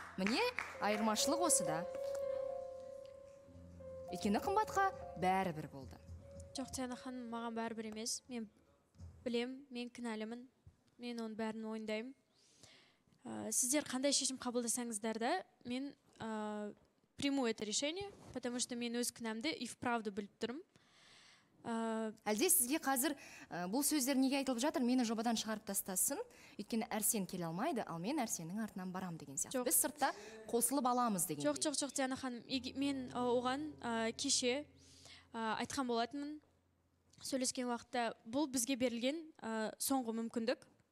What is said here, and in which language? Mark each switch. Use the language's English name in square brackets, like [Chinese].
[Kazakh] Міне, айырмашылық осы да. Екені қымбатқа бәрі бір болды. Жоқ, Тияна ханым, маған бәрі бір емес. Мен білем, мен кінәлімін, мен оның бәрін ойындаймын. Сіздер қандай шешім қабылдасаңыздар да, мен... [Russian] Приму это решение, потому что [Kazakh] мен өз кінәмді [Russian] и вправду [Kazakh] біліп тұрым. Әлде сізге қазір бұл сөздер неге айтылып жатыр, мені жобадан шығарып тастасын, өйткені Арсен келе алмайды, ал мен Арсеннің артынан барам деген сияқты. Біз сыртта қосылып аламыз деген. Жоқ, Диана ханым, мен оған кеше айтқан болатынмын, сөйлескен уақытта бұл бізге берілген соңғы мүмкіндік.